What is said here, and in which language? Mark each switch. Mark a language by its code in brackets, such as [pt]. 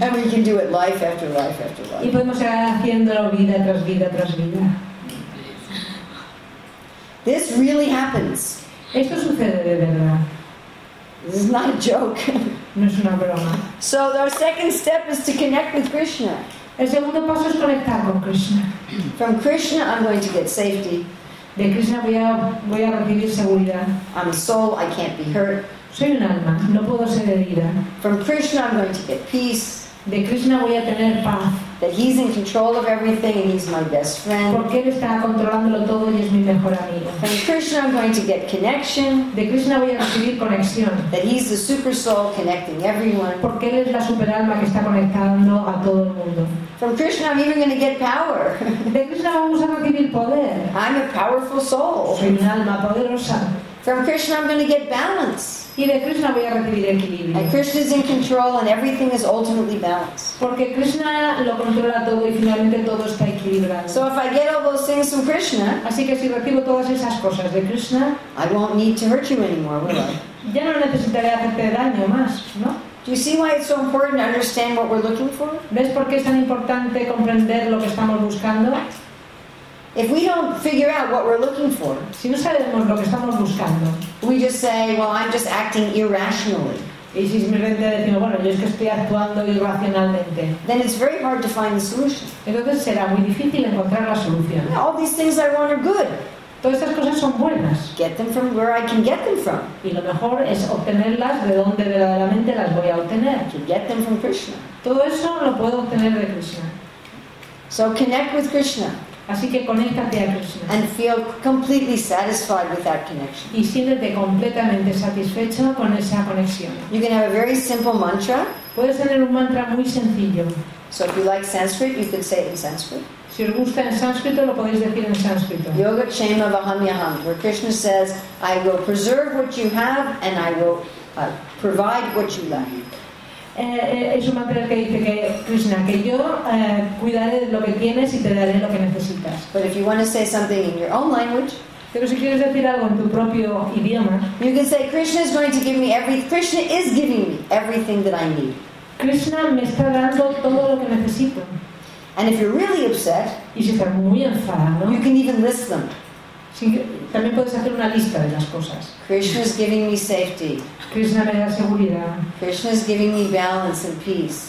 [en] and we can do it life after life after life, [es] y podemos seguir haciéndolo vida tras vida tras vida. [en] This really happens. [es] Esto sucede de verdad. [en] This is not a joke. [es] No es una broma. [en] So our second step is to connect with Krishna. [es] El segundo paso es conectar con Krishna. [en] From Krishna, I'm going to get safety. [es] De Krishna voy a recibir seguridad. [en] I'm a soul, I can't be hurt. [es] Soy un alma, no puedo ser herida. [en] From Krishna, I'm going to get peace. [es] De Krishna voy a tener paz. [en] That he's in control of everything and he's my best friend. [es] Porque él está controlándolo todo y es mi mejor amigo. [en] From Krishna I'm going to get connection. [es] De Krishna voy a recibir conexión. [en] That he's the super soul connecting everyone. [es] Porque él es la superalma que está conectando a todo el mundo. [en] From Krishna I'm even going to get power. [es] De Krishna vamos a recibir poder. [en] I'm a powerful soul. [es] Soy un alma poderosa. [en] From Krishna I'm going to get balance. [es] Y de Krishna voy a recibir equilibrio. [en] And Krishna is in control and everything is ultimately balanced. [es] Porque Krishna lo controla todo y finalmente todo está equilibrado. [en] So if I get all those things from Krishna, [es] así que si recibo todas esas cosas de Krishna, [en] I won't need to hurt you anymore, will I? [es] Ya no necesitaré hacerte daño más, ¿no? [en] Do you see why it's so important to understand what we're looking for? [es] ¿Ves por qué es tan importante comprender lo que estamos buscando? [en] If we don't figure out what we're looking for, [es] si no sabemos lo que estamos buscando, [en] we just say, well, I'm just acting irrationally. [es] Y si simplemente decimos, bueno, yo es que estoy actuando irracionalmente, [en] then it's very hard to find the solution. [es] Entonces será muy difícil encontrar la solución. [en] Yeah, all these things I want are good. [es] Todas estas cosas son buenas. [en] Get them from where I can get them from. [es] Y lo mejor es obtenerlas de donde verdaderamente las voy a obtener. [en] To get them from Krishna. [es] Todo eso lo puedo obtener de Krishna. [en] So connect with Krishna. [es] Así que conéctate a Krishna. [en] And feel completely satisfied with that connection. [es] Y siéntete completamente satisfecho con esa conexión. [en] You can have a very simple mantra. [es] Puedes tener un mantra muy sencillo. [en] So if you like Sanskrit, you can say it in Sanskrit. [es] Si os gusta en sánscrito, lo podéis decir en sánscrito. [sa] Yoga Kshema Vahamyaham, [en] where Krishna says, I will preserve what you have and I will provide what you lack. [es] Es un mantra que dice que Krishna, que yo cuidaré de lo que tienes y te daré lo que necesitas. [en] But if you want to say something in your own language, [es] pero si quieres decir algo en tu propio idioma, [en] you can say Krishna is going to give me Krishna is giving me everything that I need. [es] Krishna me está dando todo lo que necesito. [en] And if you're really upset, [es] y si estás muy enfadado, [en] you can even list them. [es] También puedes hacer una lista de las cosas. [en] Krishna is giving me safety. [es] Krishna me da seguridad. [en] Krishna is giving me balance and peace.